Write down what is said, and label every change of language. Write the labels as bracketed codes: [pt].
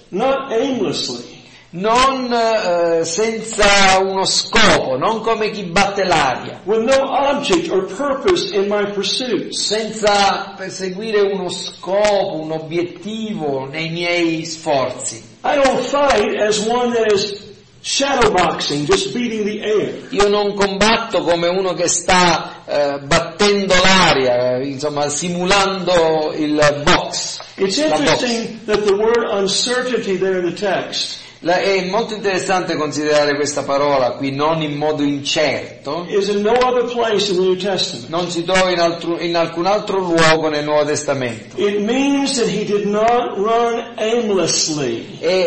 [en] Not aimlessly. [it] Non senza uno scopo, non come chi batte l'aria. [en] With no object or purpose in my pursuit. [it] Senza perseguire uno scopo, un obiettivo nei miei sforzi. [en] I don't fight as one that is shadowboxing, just beating the air. [it] Io non combatto come uno che sta battendo l'aria, insomma simulando il box. [en] It's interesting that the word uncertainty there in the text. [it] È molto interessante considerare questa parola qui, non in modo incerto. [en] Is in no other place in the New Testament. [it] Non si trova in alcun altro luogo nel Nuovo Testamento. [en] It means that he did not run aimlessly.